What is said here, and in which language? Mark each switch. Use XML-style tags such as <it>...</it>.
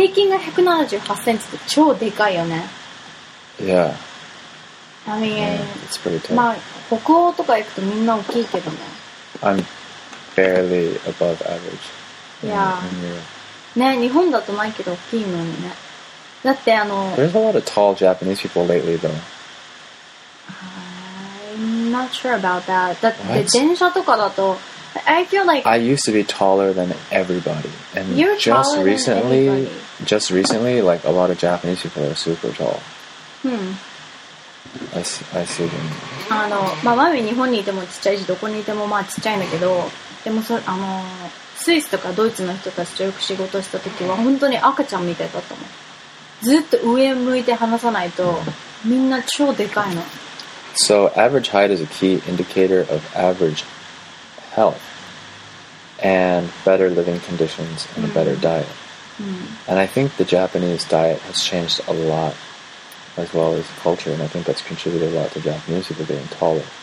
<ja>平均が178センチって超でかいよね。</ja> <en>Yeah. I mean, it's pretty tall.</en> <ja>まあ北欧とか行くとみんな大きいけどね。</ja> <en>I'm barely above average. Yeah.</en> <ja>ね、日本だとないけど大きいのにね。だってあの</ja> <en>There's a lot of tall Japanese people lately though. I'm not sure about that.</en> <ja>だって電車とかだと</ja> <en>I feel like I used to be taller than everybody. And you're just taller recently, than everybody. Just recently, like a lot of Japanese people are super tall. I see them.</en> <ja>あの、まあ、マミ日本にいてもちっちゃいし、どこにいてもまあちっちゃいんだけど、でもそあのスイスとかドイツの人たちとよく仕事した時は本当に赤ちゃんみたいだったもん。ずっと上向いて話さないとみんな超でかいの。</ja> <en>So average height is a key indicator of average health and better living conditions and a better diet. And I think the Japanese diet has changed a lot as well as culture, and I think that's contributed a lot to Japanese people being taller.</en>